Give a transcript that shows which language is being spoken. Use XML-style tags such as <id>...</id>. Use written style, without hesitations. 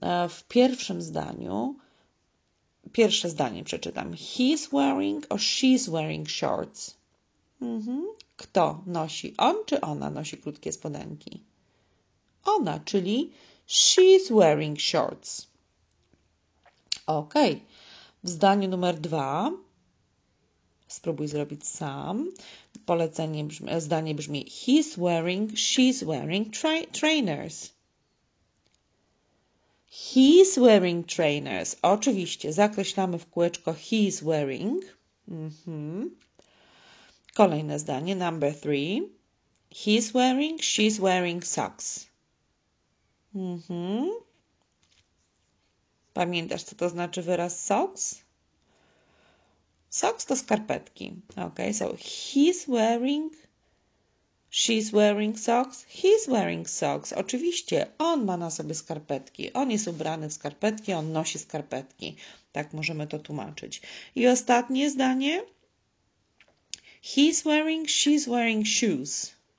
<pl>W pierwszym zdaniu, pierwsze zdanie przeczytam.</pl> <en>He's wearing or she's wearing shorts?</en> <pl>Kto nosi? On czy ona nosi krótkie spodenki? Ona, czyli</pl> <en>she's wearing shorts.</en> <pl>Okej. Okay. W zdaniu numer 2, spróbuj zrobić sam, zdanie brzmi</pl> <en>he's wearing, she's wearing trainers. He's wearing trainers.</en> <pl>Oczywiście, zakreślamy w kółeczko</pl> <en>he's wearing.</en> <pl>Kolejne zdanie,</pl> <en>number 3. He's wearing, she's wearing socks.</en> <pl>Pamiętasz, co to znaczy wyraz socks? Socks to skarpetki.</pl> <en>Ok, so he's wearing, she's wearing socks, he's wearing socks.</en> <pl>Oczywiście, on ma na sobie skarpetki. On jest ubrany w skarpetki, on nosi skarpetki. Tak możemy to tłumaczyć. I ostatnie zdanie.</pl> <en>He's wearing, she's wearing shoes.</en>